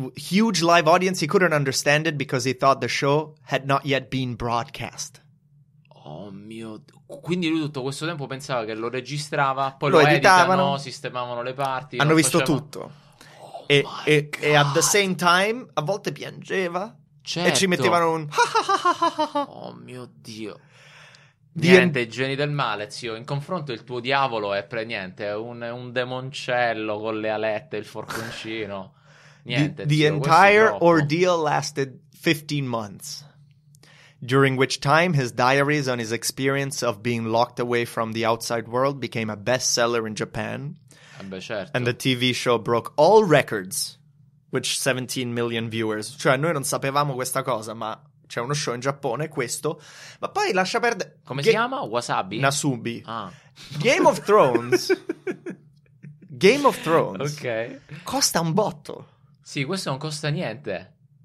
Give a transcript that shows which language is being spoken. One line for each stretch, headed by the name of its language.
English: Huge live audience, he couldn't understand it because he thought the show had not yet been broadcast.
Italian: Oh mio Dio! Quindi lui tutto questo tempo pensava che lo registrava, poi lo editavano, editano, sistemavano le parti. Hanno visto tutto. Oh e
English: at the same time,
Italian: a volte piangeva. Certo. E ci mettevano un... Oh mio Dio. Niente, geni del male, zio. In confronto il tuo diavolo è pre niente, è un demoncello con le alette, il forconcino. Niente,
English: the
Italian: zio,
English: entire ordeal lasted 15 months. During which time his diaries on his experience of being locked away from the outside world became a bestseller in Japan.
Italian: Beh, certo.
English: And the TV show broke all records, which 17 million viewers.
Italian: Cioè, noi non sapevamo questa cosa, ma c'è uno show in Giappone, questo. Ma poi lascia perdere... Come si chiama? Wasabi? Nasubi. Ah.
English: Game of Thrones. Game of Thrones.
Italian: Ok. Costa un botto. Sì, questo non costa niente.